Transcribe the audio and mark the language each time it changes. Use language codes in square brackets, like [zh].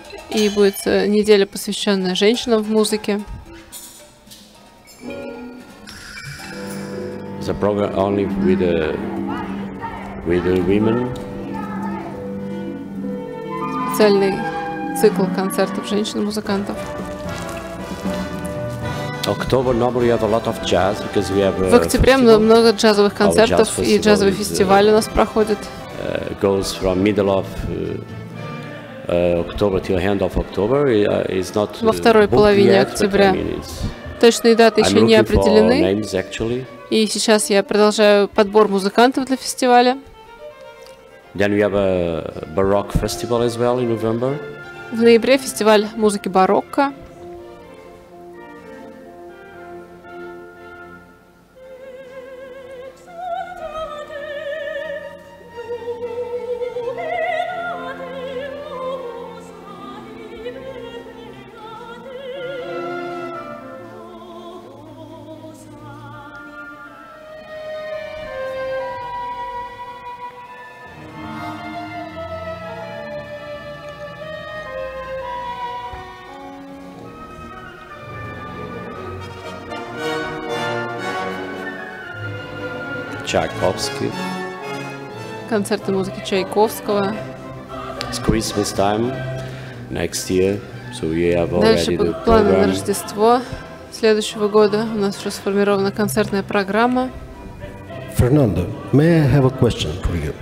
[ru] И будет неделя, посвященная женщинам в музыке. [en] The program only with the women. [ru] Специальный цикл концертов женщин-музыкантов. [en] October normally have a lot of jazz because we have. [ru] В октябре много джазовых концертов и джазовый фестиваль у нас проходит. [en] Goes from middle of October till end of October. It's not. [ru] Во второй половине октября. Точные даты еще не определены. И сейчас я продолжаю подбор музыкантов для фестиваля. [en] Then we have a baroque festival as well in November. [ru] В ноябре фестиваль музыки барокко. Чайковский. Концерты музыки Чайковского. [en] It's Christmas time next year, so we have already [ru] дальше будут планы на Рождество следующего года. У нас уже сформирована концертная программа. [en] Fernando, may I have a question for you?